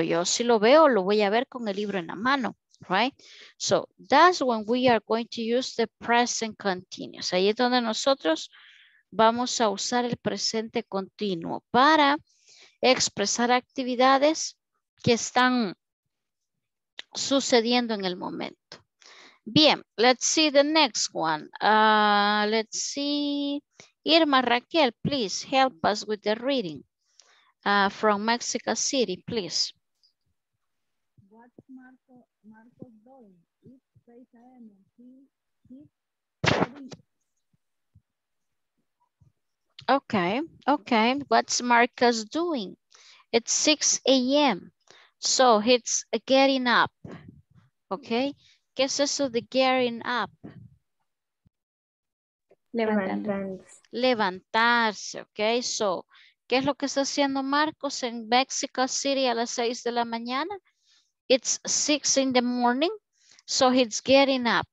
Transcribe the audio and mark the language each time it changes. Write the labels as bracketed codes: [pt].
[es] Yo si lo veo, lo voy a ver con el libro en la mano. [en] Right? So, that's when we are going to use the present continuous. [es] Ahí es donde nosotros vamos a usar el presente continuo para expresar actividades que están sucediendo en el momento. [en] Bien, let's see the next one. Let's see... Irma Raquel, please help us with the reading from Mexico City, please. What's Marco doing? It's 6 a.m. Okay, okay. What's Marcus doing? It's 6 a.m. So it's getting up. Okay. [es] ¿Qué es eso de getting up? Levantarse. Levantarse, ok. So, ¿qué es lo que está haciendo Marcos en Mexico City a las 6 de la mañana? [en] It's 6 in the morning, so he's getting up.